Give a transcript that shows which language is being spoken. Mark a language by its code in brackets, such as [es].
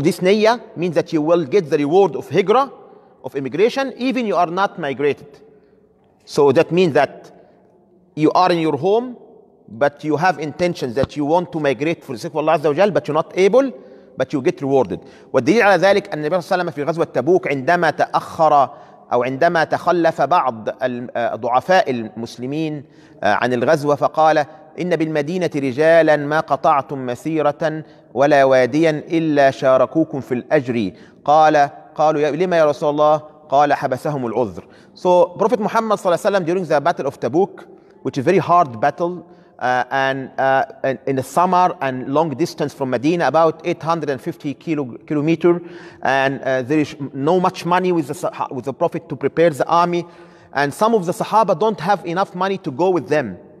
[en] This niyya means that you will get the reward of hijrah, of immigration, even you are not migrated. So that means that you are in your home, but you have intentions that you want to migrate for the sake of Allah Azza wa Jal, but you're not able, but you get rewarded. [ar] والدليل على ذلك أن النبي صلى الله عليه وسلم في غزوة تبوك عندما تأخر أو عندما تخلف بعض ضعفاء المسلمين عن الغزوة فقال إن بالمدينة رجالا ما قطعتم مسيرة ولا واديا إلا شاركوكم في الأجر. قال قالوا لما يا رسول الله قال حبسهم العذر. [en] So Prophet Muhammad [ar] صلى الله عليه وسلم [en] during the battle of Tabuk, which is a very hard battle and in the summer and long distance from Medina, about 850 kilometer, and there is no much money with the Prophet to prepare the army, and some of the Sahaba don't have enough money to go with them.